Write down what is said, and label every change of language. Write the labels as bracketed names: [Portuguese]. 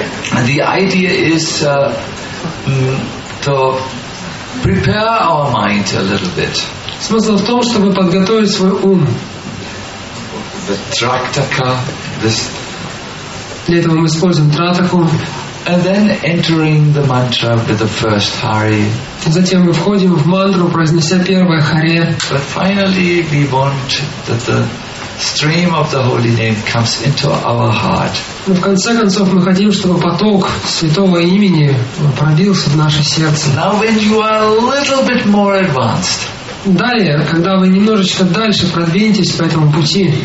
[English] The idea is to prepare our mind a little bit. [Russian] Смысл в том, чтобы подготовить свой ум. [English] The trataka, this. [Russian] Для этого мы используем тратаку. [English] And then entering the mantra with the first hari. [Russian] Затем мы входим в мантру, произнося первое харе. [English] But finally, we want that the stream of the holy name comes into our heart. [Russian] Но в конце концов мы хотим, чтобы поток святого имени пробился в наше сердце. [English] Now, when you are a little bit more advanced. [Russian] Далее, когда вы немножечко дальше продвинетесь по этому пути.